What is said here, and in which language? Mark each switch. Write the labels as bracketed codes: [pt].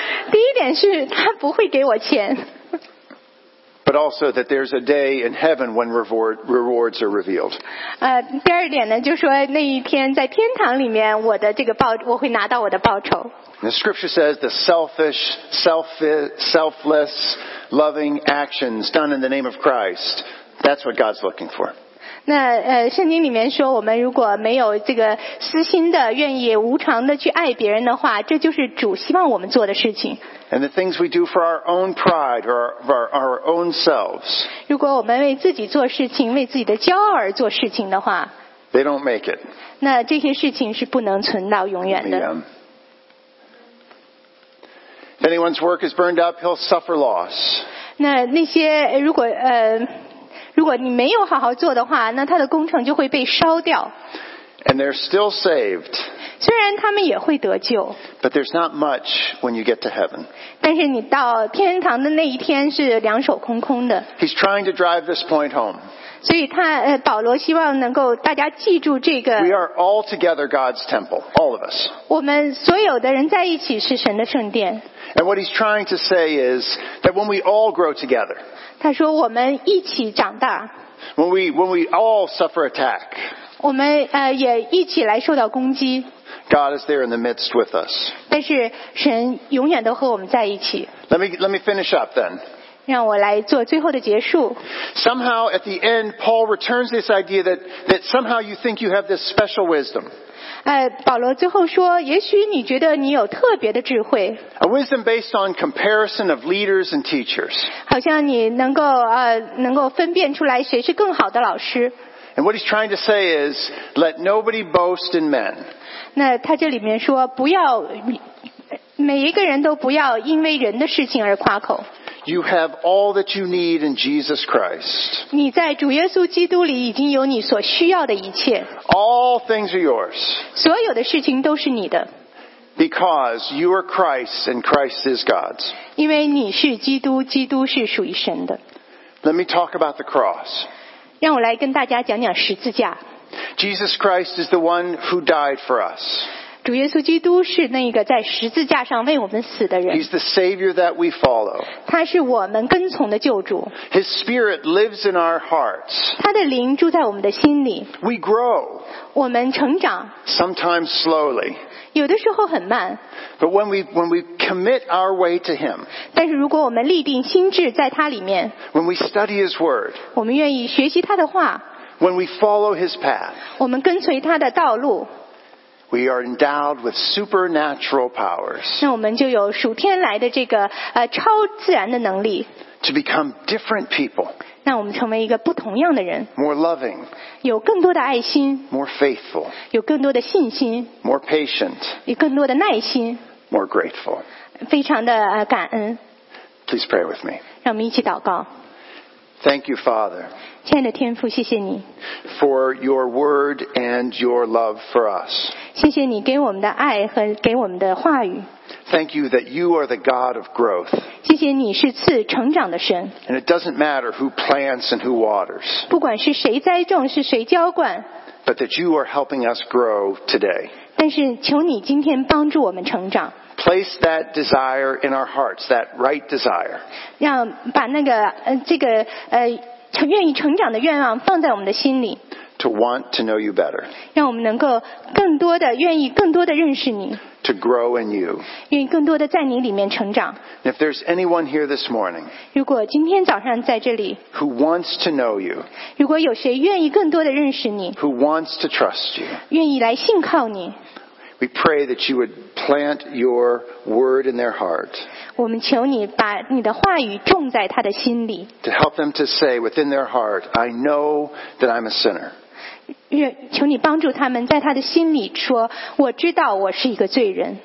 [zh] 第一点是她不会给我钱 [en] But also that there's a day in heaven when rewards are revealed. [zh] 第二点呢，就说那一天在天堂里面，我的这个报，我会拿到我的报酬。 [en] The scripture says the selfish, selfless, loving actions done in the name of Christ. That's what God's looking for. [zh] 那圣经里面说，我们如果没有这个私心的、愿意无偿的去爱别人的话，这就是主希望我们做的事情。 [en] And the things we do for our own pride or our own selves. [zh] 如果我们为自己做事情，为自己的骄傲而做事情的话 [en] ，They don't make it. [zh] 那这些事情是不能存到永远的。 [en] If anyone's work is burned up, he'll suffer loss. [zh] 那些如果你没有好好做的话，那他的工程就会被烧掉。 [en] And they're still saved. [zh] 虽然他们也会得救。 [en] But there's not much when you get to heaven. [zh] 但是你到天堂的那一天是两手空空的。 [en] He's trying to drive this point home. [zh] 所以他保罗希望能够大家记住这个。 [en] We are all together God's temple, all of us. [zh] 我们所有的人在一起是神的圣殿。 [en] And what he's trying to say is that when we all grow together. [zh] 他说我们一起长大。 [en] When we all suffer attack. [zh] 我们也一起来受到攻击。 [en] God is there in the midst with us. [zh] 但是神永远都和我们在一起。 [en] Let me finish up then. [zh] 让我来做最后的结束。 [en] Somehow at the end, Paul returns this idea that somehow you think you have this special wisdom. [zh] 保罗最后说，也许你觉得你有特别的智慧。 [en] A wisdom based on comparison of leaders and teachers. [zh] 好像你能够分辨出来谁是更好的老师。 [en] And what he's trying to say is, let nobody boast in men. [zh] 那他这里面说，不要每一个人都不要因为人的事情而夸口。 [en] You have all that you need in Jesus Christ. [zh] 你在主耶稣基督里已经有你所需要的一切。 [en] All things are yours. [zh] 所有的事情都是你的。 [en] Because you are Christ and Christ is God's. [zh] 因为你是基督，基督是属于神的。 [en] Let me talk about the cross. [zh] 让我来跟大家讲讲十字架。 [en] Jesus Christ is the one who died for us. [zh] 主耶稣基督是那个在十字架上为我们死的人。 [en] He's the Savior that we follow. [zh] 他是我们跟从的救主。 [en] His Spirit lives in our hearts. [zh] 他的灵住在我们的心里。 [en] We grow. [zh] 我们成长。 [en] Sometimes slowly. [zh] 有的时候很慢 [en] but when we commit our way to him, [zh] 但是如果我们立定心志在他里面 [en] when we study his word, [zh] 我们愿意学习他的话 [en] when we follow his path, [zh] 我们跟随他的道路 [en] we are endowed with supernatural powers, [zh] 那我们就有属天来的这个超自然的能力 [en] to become different people, [zh] 那我们成为一个不同样的人 [en] more loving, [zh] 有更多的爱心 [en] more faithful, [zh] 有更多的信心 [en] more patient, [zh] 有更多的耐心 [en] more grateful, [zh] 非常的感恩 [en] Please pray with me. [zh] 让我们一起祷告 [en] Thank you, Father. [zh] 亲爱的天父，谢谢你 [en] for your word and your love for us. [zh] 谢谢你给我们的爱和给我们的话语 [en] Thank you that you are the God of growth. [zh] 谢谢你是赐成长的神。 [en] And it doesn't matter who plants and who waters. [zh] 不管是谁栽种，是谁浇灌。 [en] But that you are helping us grow today. [zh] 但是求你今天帮助我们成长。 [en] Place that desire in our hearts, that right desire. [zh] 让把那个这个愿意成长的愿望放在我们的心里。 [en] To want to know you better. [zh] 让我们能够更多的愿意更多的认识你。 [en] To grow in you. [zh] 愿意更多的在你里面成长。 [en] If there's anyone here this morning, [zh] 如果今天早上在这里 [en] who wants to know you, [zh] 如果有谁愿意更多的认识你 [en] who wants to trust you, [zh] 愿意来信靠你 [en] we pray that you would plant your word in their heart, [zh] 我们求你把你的话语种在他的心里 [en] to help them to say within their heart, I know that I'm a sinner. [zh] 求你帮助他们在他的心里说我知道我是一个罪人